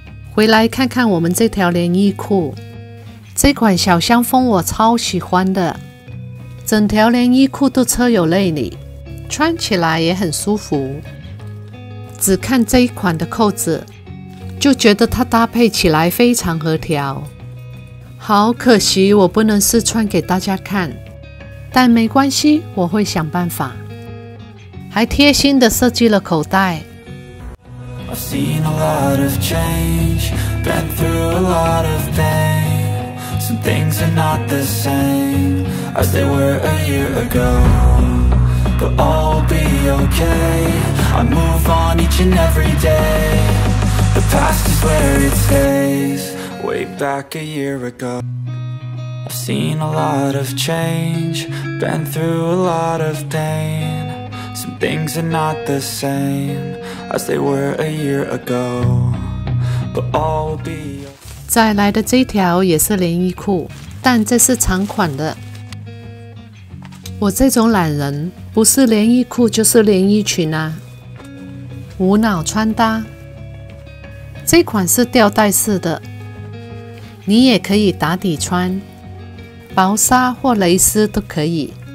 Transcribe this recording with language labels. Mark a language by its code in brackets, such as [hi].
[zh] 回来看看我们这条连衣裤，这款小香风我超喜欢的，整条连衣裤都车有内里，穿起来也很舒服。只看这一款的扣子，就觉得它搭配起来非常合条。好可惜我不能试穿给大家看，但没关系，我会想办法。还贴心的设计了口袋。 [en] I've seen a lot of change, been through a lot of pain. Some things are not the same as they were a year ago. But all will be okay, I move on each and every day. The past is where it stays, way back a year ago. I've seen a lot of change, been through a lot of pain. Some things are not the same as they were a year ago. But all will be okay. [zh] 再来的这条也是连衣裤，但这是长款的。我这种懒人，不是连衣裤就是连衣裙啊，无脑穿搭。这款是吊带式的，你也可以打底穿，薄纱或蕾丝都可以。